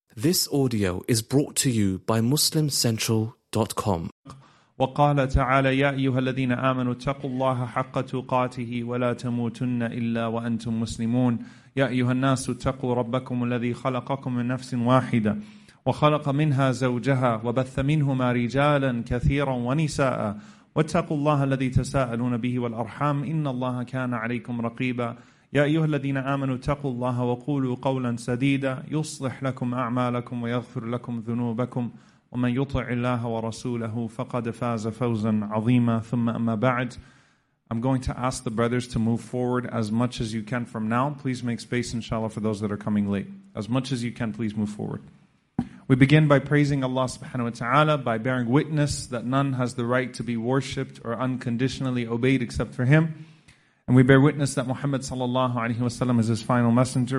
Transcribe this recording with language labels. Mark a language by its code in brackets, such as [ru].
[en] This audio is brought to you by MuslimCentral.com. [ar] وقال تعالى يا أيها الذين آمنوا اتقوا الله حق تقاته ولا تموتن إلا وأنتم مسلمون يا أيها الناس اتقوا ربكم الذي خلقكم من نفس واحدة وخلق منها زوجها وبث منهما رجالا كثيرا ونساء واتقوا الله الذي تساءلون به والأرحام إن الله كان عليكم رقيبا يا أيها الذين آمنوا اتقوا الله وقولوا قولا سديدا يصلح لكم أعمالكم ويغفر لكم ذنوبكم ومن يطع الله ورسوله فقد فاز فوزا عظيما ثم أما بعد [en] I'm going to ask the brothers to move forward as much as you can from now. Please make space, inshallah, for those that are coming late. As much as you can, please move forward. We begin by praising Allah subhanahu wa ta'ala, by bearing witness that none has the right to be worshipped or unconditionally obeyed except for Him. And we bear witness that Muhammad sallallahu alayhi wa sallam is His final messenger.